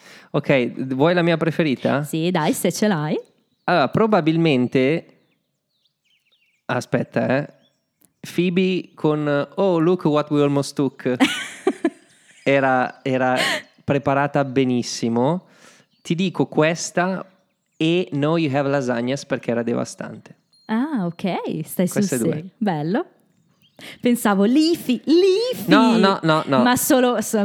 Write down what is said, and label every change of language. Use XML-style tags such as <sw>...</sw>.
<it>Ok, vuoi la mia preferita? Sì, dai, se ce l'hai. Allora, probabilmente... Aspetta, Phoebe con</it> <en>Oh, look what we almost took.</en> <it>era preparata benissimo. Ti dico questa e No, You Have Lasagnas perché era devastante. Ah, ok, stai queste sul serio. Bello. Pensavo Leafy. No. Ma solo</it>